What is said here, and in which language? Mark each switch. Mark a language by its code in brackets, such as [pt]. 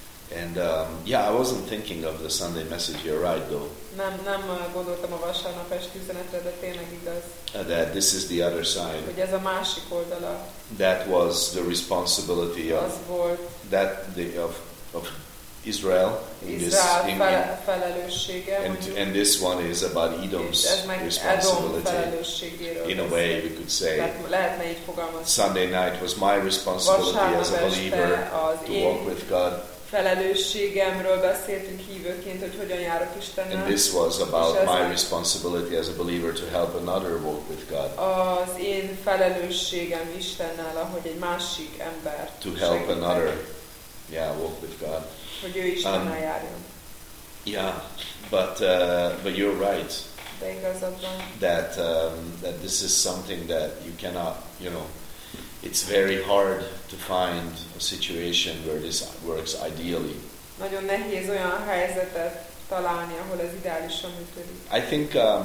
[en] And I I wasn't thinking of the Sunday message. You're right, though. [hu] Nem gondoltam a vasárnap esti üzenetre, de tényleg igaz. [en] That this is the other side. [hu] Hogy ez a másik oldala. [en] That was the responsibility [hu] az [en] of [hu] volt. [en] That the of Israel, [hu] felelőssége, [en] and this one is about Edom's responsibility. In a way, we could say Sunday night was my responsibility as a believer to walk with God. [hu] Felelősségemről beszéltünk hívőként, hogy hogyan járok Istennel. [en] And this was about my responsibility as a believer to help another walk with God. [hu] Az én felelősségem Istennel, ahogy egy másik ember [en] to help another, walk with God. [hu] Hogy ő Istennel járjon. [en] Yeah, but you're right. [hu] De igazad van. [en] That this is something that you cannot, you know, it's very hard to find a situation where this works ideally. [hu] Nagyon nehéz olyan helyzetet találni, ahol ez ideálisan működik.